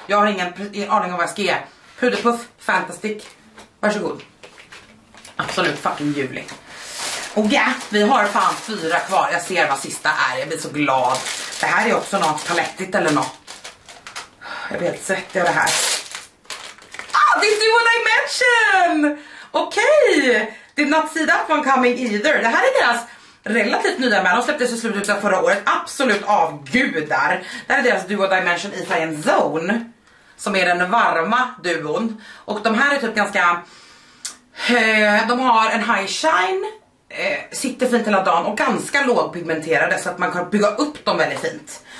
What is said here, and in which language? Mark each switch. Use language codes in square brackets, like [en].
[sv] Jag har ingen aning om vad jag ska ge. Puderpuff, Fantastic. Varsågod. Absolut fucking ljuvlig. Och ja, vi har fan 4 kvar. Jag ser vad sista är. Jag blir så glad. Det här är också något palettigt eller något. Jag blir helt svettig av det här. [en] Ah, this is what I mentioned! Okej! Okay. Did not see that one coming either. [sv] Det här är deras relativt nya med. De släpptes i slutet av förra året. Absolut avgudar. Det här är deras Duo Dimension i färgen Zone. Som är den varma duon. Och de här är typ ganska... de har en high shine. Sitter fint hela dagen och ganska lågpigmenterade så att man kan bygga upp dem väldigt fint.